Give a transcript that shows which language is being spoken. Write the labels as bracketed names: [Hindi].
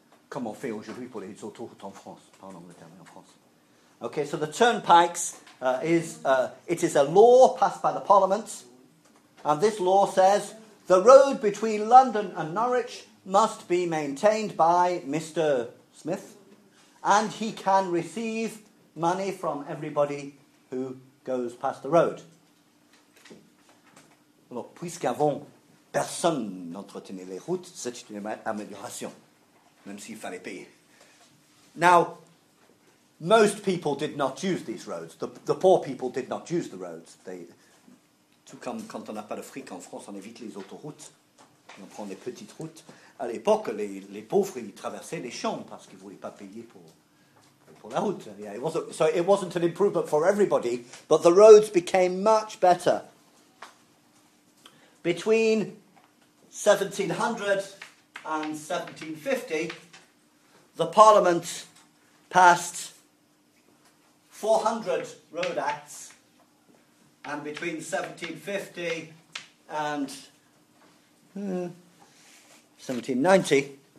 [French] Comment on fait aujourd'hui pour les autoroutes en France, pas en Angleterre, mais en France. [English] Okay, so the turnpikes is a law passed by the Parliament, and this law says the road between London and Norwich must be maintained by Mr. Smith, and he can receive money from everybody who goes past the road. [French] Alors, puisqu'avant, personne n'entretenait les routes, c'est une amélioration, même s'il fallait payer. [English] Now, most people did not use these roads. The poor people did not use the roads. [French] Tout comme quand on n'a pas de fric en France, on évite les autoroutes, on prend les petites routes. À l'époque, les pauvres, ils traversaient les champs parce qu'ils ne voulaient pas payer pour la route. [English] Yeah, it wasn't an improvement for everybody, but the roads became much better. Between 1700 and 1750, the Parliament passed 400 road acts, and between 1750 and 1790,